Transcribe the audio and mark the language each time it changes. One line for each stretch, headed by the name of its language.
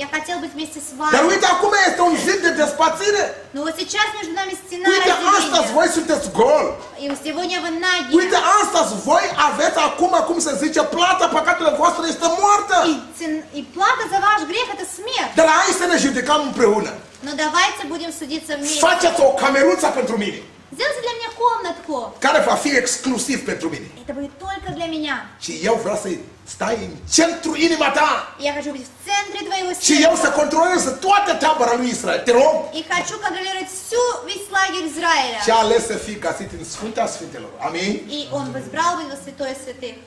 Russian: Я хотел быть вместе с вами.
Romanian: Dar uite, acum este un zid de despățire.
Russian: Ну вот сейчас между нами стена разделения.
Romanian: Uite, astăzi voi sunteți gol.
Russian: И сегодня вы наги.
Romanian: Uite, astăzi voi aveți acum, cum se zice, plata păcatelor voastre este moartă.
Russian: И плата за ваш грех это смерть.
Romanian: Dar hai să ne judecăm împreună.
Russian: Ну давайте будем судиться вместе.
Romanian: Faceți o cameruță pentru mine.
Russian: Сделайте для меня комнатку.
Romanian: Care va fi exclusiv pentru mine.
Russian: Это будет только для меня.
Romanian: Și eu vreau să stai în centru inima ta.
Russian: Я хочу быть в центре.
Romanian: între dvs. Și eu să controlez toată tabăra lui Israel. Te rog.
Russian: И хочу контролировать всю весь лагерь Израиля.
Romanian: Și ales să fii găsit în Sfânta Sfintelor. Amin.
Russian: И он избрал его святое святых.